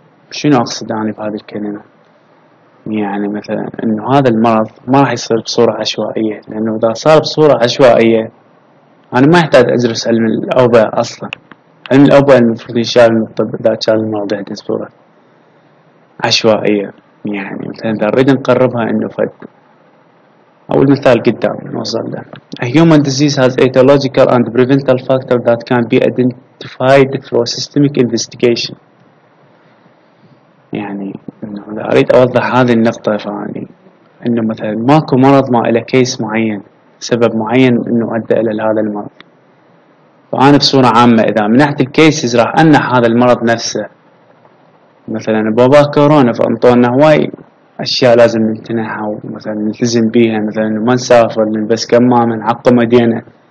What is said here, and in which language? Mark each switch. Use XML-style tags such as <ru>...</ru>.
<ar>شنو أقصد يعني بهذه الكلمة؟ يعني مثلا إنه هذا المرض ما راح يصير بصورة عشوائية، لأنه إذا صار بصورة عشوائية أنا ما أحتاج أدرس علم الأوبئة أصلا. علم الأوبئة المفروض يشال من الطب إذا كان المرض يحدث بصورة عشوائية. يعني مثلا إذا نريد نقربها إنه فد أول مثال قدام نوصل له.</ar> <en>A human disease has etiological and preventable factors that can be identified through systemic investigation. يعني</en> <ar>انه اريد اوضح هذه النقطه، فاني انه مثلا ماكو مرض ما له كيس معين سبب معين انه ادى الى هذا المرض. فانا بصوره عامه اذا منحت الكيسز راح امنح هذا المرض نفسه. مثلا بابا كورونا فانطونا هواي اشياء لازم نمتنعها ومثلا نلتزم بيها، مثلا ما نسافر، نلبس كمامه، نعقم ايدينا.</ar>